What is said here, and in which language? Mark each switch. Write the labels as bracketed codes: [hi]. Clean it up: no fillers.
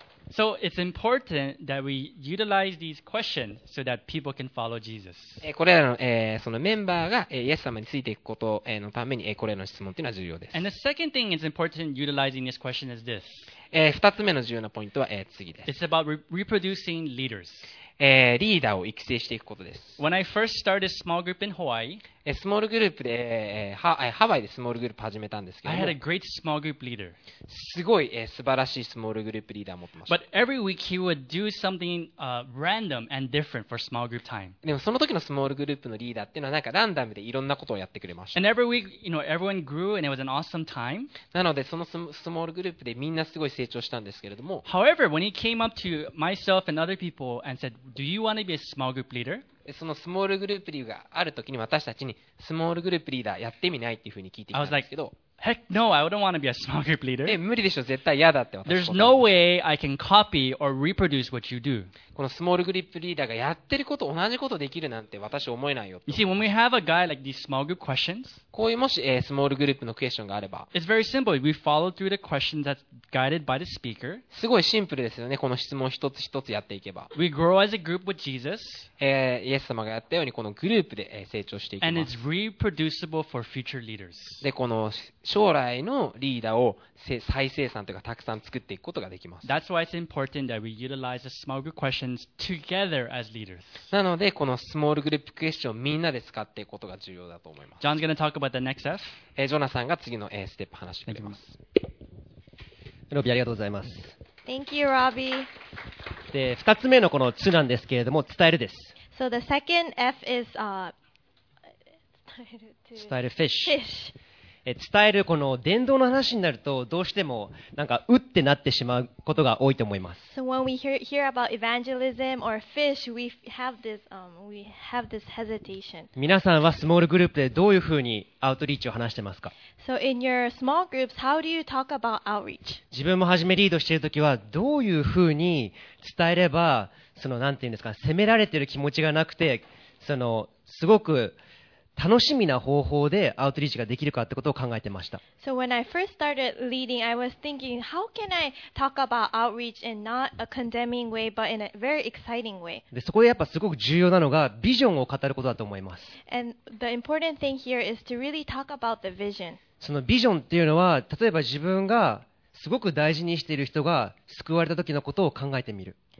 [en] So, it's important that we utilize these questions so that people can follow Jesus. [ja] これらの、そのメンバーが、イエス様についていくことのために、これらの質問というのは重要です。 [en] And the second thing is important utilizing this question is this. [ja] 二つ目の重要なポイントは、次です。 [en] It's about reproducing leaders. [ja] リーダーを育成していくことです。 [en] When I first started small group in Hawaii, [ja] スモールグループで、ハワイでスモールグループ始めたんですけど、 [en] I had a great small group leader. [ja] すごい、素晴らしいスモールグループリーダーを持ってました。 [en] But every week he would do something, random and different for small group time. [ja] でもその時のスモールグループのリーダーっていうのはなんかランダムでいろんなことをやってくれました。 [en] And every week, you know, everyone grew and it was an awesome time. [ja] なのでそのスモールグループでみんなすごい成長したんですけれども、 [en] However, when he came up to myself and other people and said,Do you want to be a small group leader? [ja] そのスモールグループリーダーがあるときに私たちにスモールグループリーダーやってみないっていうふうに聞いてきたんですけど、 [en] like, Heck no, I don't want to be a small group leader. [ja] 無理でしょ、絶対嫌だって私。 [en] There's no way I can copy or reproduce what you do. [ja] このスモールグループリーダーがやってること同じことできるなんて私思えないよ。 [en] You see, when we have a guy like these small group questions, [ja] こういうもし、スモールグループのクエスチョンがあれば、 [en] It's very simple. We follow through the questions that's guided by the speaker. [ja] すごいシンプルですよね。この質問一つ一つやっていけば。 [en] We grow as a group with Jesus. [ja] イエス様がやったようにこのグループで成長していきます。 [en] And it's reproducible for future leaders. [ja] で、この将来のリーダーを再生産というかたくさん作っていくことができます。 [en] That's why it's important that we utilize the small group questionsTogether as leaders. [ja] なのでこのスモールグループクエスチョンをみんなで使っていくことが重要だと思います。 [en] John's going to talk about the next F. [ja] ジョナさんが次のステップ話してくれます。ロビーありがとうございます。 [en] Thank you, Robbie. [ja] で、二つ目のこのツなんですけれども伝えるです。 [en] So the second F is [ja] 伝えるフィッシュ。 [en] Fish. [ja] 伝えるこの伝道の話になるとどうしてもなんかうってなってしまうことが多いと思います。 [en] So when we hear about evangelism or fish, we have this hesitation. [ja] 皆さんはスモールグループでどういうふうにアウトリーチを話してますか [en] ？So in your small groups, how do you talk about outreach? [ja] 自分も初めリードしているときはどういうふうに伝えればそのなんていうんですか、責められている気持ちがなくてそのすごく楽しみな方法でアウトリーチができるかってことを考えてました。 [en] So when I first started leading, I was thinking, how can I talk about outreach in not a condemning way, but in a very exciting way? [ja] で、そこでやっぱすごく重要なのがビジョンを語ることだと思います。 [en] And the important thing here is to really talk about the vision. [ja] そのビジョンっていうのは、例えば自分がすごく大事にしている人が救われた時のことを考えてみる。